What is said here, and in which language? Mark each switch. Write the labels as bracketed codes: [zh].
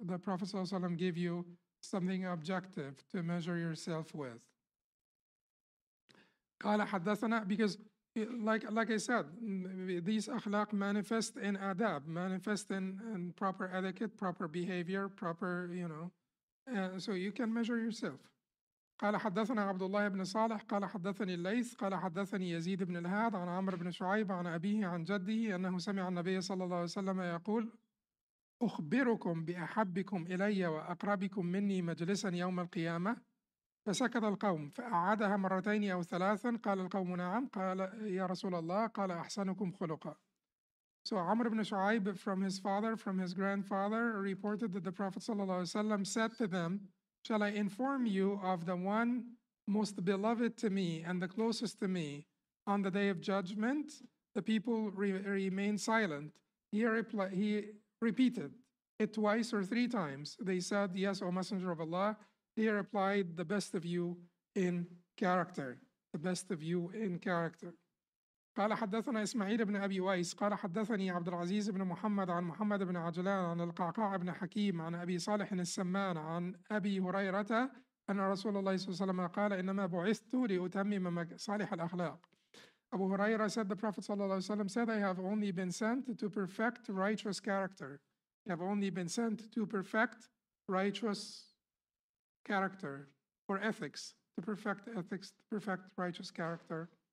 [en] The Prophet ﷺ gave you something objective to measure yourself with. [ar] قال حدثنا, [en] because like I said, these akhlaq manifest in adab, manifest in proper etiquette, proper behavior, proper, you know. So you can measure yourself. [ar] قال حدثنا عبد الله بن صالح قال حدثني الليث قال حدثني يزيد بن الهاد عن عمرو بن شعيب عن أبيه عن جده أنه سمع النبي صلى الله عليه وسلم يقول أخبركم بأحبكم إلي وأقربكم مني مجلسا يوم القيامة. فسكت القوم فأعادها مرتين أو ثلاثا قال القوم نعم قال يا رسول الله قال أحسنكم خلقا. [en] So Amr ibn Shu'aib, from his father, from his grandfather, reported that the Prophet ﷺ said to them, shall I inform you of the one most beloved to me and the closest to me on the day of judgment? The people remained silent. He repeated it twice or three times. They said, yes, O Messenger of Allah. He replied, the best of you in character. The best of you in character. قال حدثنا إسماعيل بن أبي وائس قال حدثني عبد العزيز بن محمد عن محمد بن عجلان عن القعقاع بن حكيم عن أبي صالح السمان عن أبي هريرة أن رسول الله صلى الله عليه وسلم قال إنما بعثت لأتمم صالح الأخلاق. أبو هريرة said the Prophet صلى الله عليه وسلم said I have only been sent to perfect righteous character. I have only been sent to perfect righteous character or ethics. To perfect ethics, to perfect righteous character.